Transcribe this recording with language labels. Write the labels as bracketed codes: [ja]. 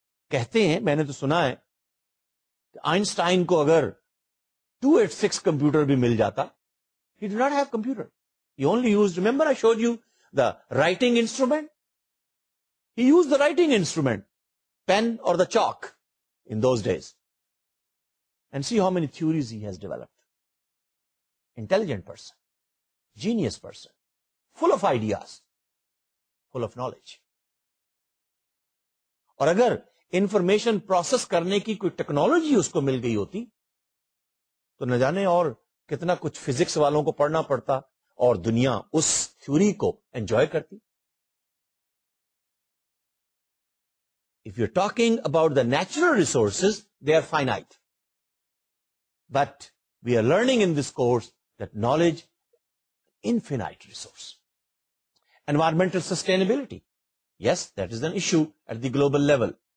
[ur] کہتے ہیں, میں نے تو سنا ہے کہ آئنسٹائن کو اگر [en] 286 [ur] کمپیوٹر بھی مل جاتا, [en] he did not have computer. He only used, remember I showed you the writing instrument? He used the writing instrument, pen or the chalk in those days. And see how many theories he has developed. Intelligent person, genius person, full of ideas, full of knowledge. [ur] اور اگر information process کرنے کی کوئی technology اس کو مل گئی ہوتی تو نہ جانے اور کتنا کچھ فزکس والوں کو پڑھنا پڑتا اور دنیا اس تھیوری کو انجوائے کرتی. [en] If you're talking about the natural resources, they are finite. But we are learning in this course that knowledge, infinite resource. Environmental sustainability. Yes, that is an issue at the global level.